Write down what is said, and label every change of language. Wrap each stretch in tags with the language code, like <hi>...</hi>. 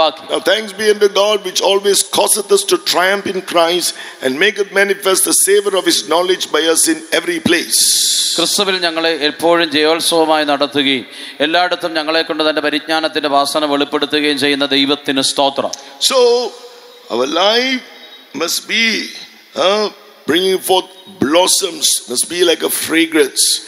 <en>Now thanks be unto God, which always causeth us to triumph in Christ and maketh manifest the savor of his knowledge by us in every place.</en> <ml>ക്രിസ്തുവിൽ ഞങ്ങളെ എപ്പോഴും ജയോത്സവമായി നടത്തുകയും എല്ലായിടത്തും ഞങ്ങളെ കൊണ്ട് തന്റെ പരിജ്ഞാനത്തിന്റെ വാസന വെളിപ്പെടുത്തുകയും ചെയ്യുന്ന ദൈവത്തിന് സ്തോത്രം.</ml> <en>So our life must be bringing forth blossoms, must be like a fragrance.</en>